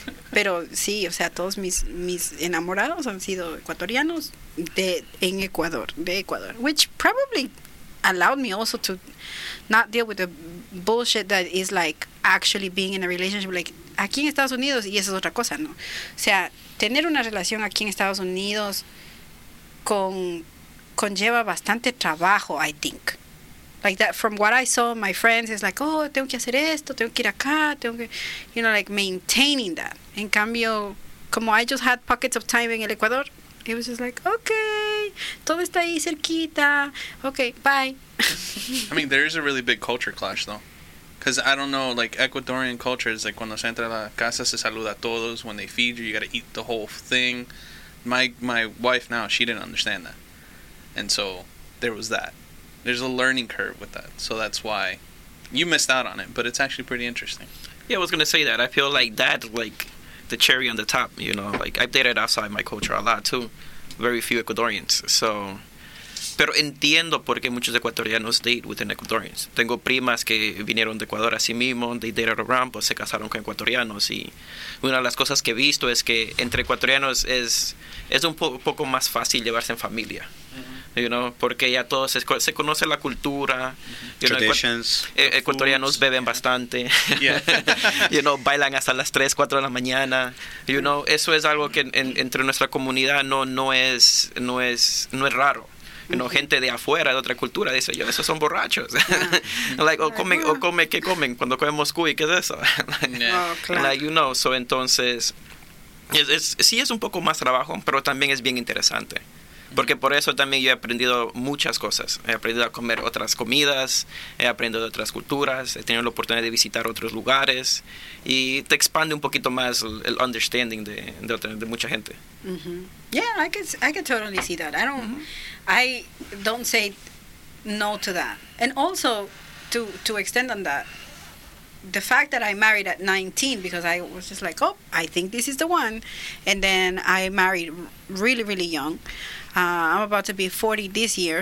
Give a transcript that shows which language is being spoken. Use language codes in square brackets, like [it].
[es] Pero sí, o sea, todos mis enamorados han sido ecuatorianos de Ecuador. [en] Which probably allowed me also to not deal with the bullshit that is, like, actually being in a relationship, like... [es] Aquí en Estados Unidos, y eso es otra cosa, ¿no? O sea, tener una relación aquí en Estados Unidos conlleva bastante trabajo, I think. [en] Like that, from what I saw, my friends, it's like, oh, tengo que hacer esto, tengo que ir acá, tengo que, you know, like maintaining that. En cambio, como I just had pockets of time en el Ecuador, it was just like, okay, todo está ahí cerquita, okay, bye. I mean, there is a really big culture clash, though. Because, I don't know, like, Ecuadorian culture is, like, cuando se entra a la casa, se saluda a todos. When they feed you, you got to eat the whole thing. My wife now, she didn't understand that. And so, there was that. There's a learning curve with that. So, that's why you missed out on it. But it's actually pretty interesting. Yeah, I was going to say that. I feel like that, like, the cherry on the top, you know. Like, I've dated outside my culture a lot, too. Very few Ecuadorians. So... [es] Pero entiendo por qué muchos ecuatorianos date within Ecuadorians. Tengo primas que vinieron de Ecuador a sí mismo, they dated around, pues se casaron con ecuatorianos. Y una de las cosas que he visto es que entre ecuatorianos es un poco más fácil llevarse en familia. Uh-huh. You know, porque ya todos se conoce la cultura. [en] Uh-huh. You know, traditions. [es] Ecuatorianos foods. Beben bastante. Yeah. You know, bailan hasta las 3, 4 de la mañana. You know, eso es algo que entre nuestra comunidad no es raro. You know, gente de afuera, de otra cultura, dice, yo, esos son borrachos. Yeah. Like, o come, ¿qué comen? Cuando comemos cuy, ¿qué es eso? Claro. Like, you know, so entonces, sí es un poco más trabajo, pero también es bien interesante. Porque por eso también yo he aprendido muchas cosas. He aprendido a comer otras comidas, he aprendido de otras culturas, he tenido la oportunidad de visitar otros lugares. Y te expande un poquito más el understanding de mucha gente. [en] Mm-hmm. Yeah, I can totally see that. I don't say no to that. And also, to extend on that, the fact that I married at 19, because I was just like, oh, I think this is the one. And then I married really, really young. I'm about to be 40 this year.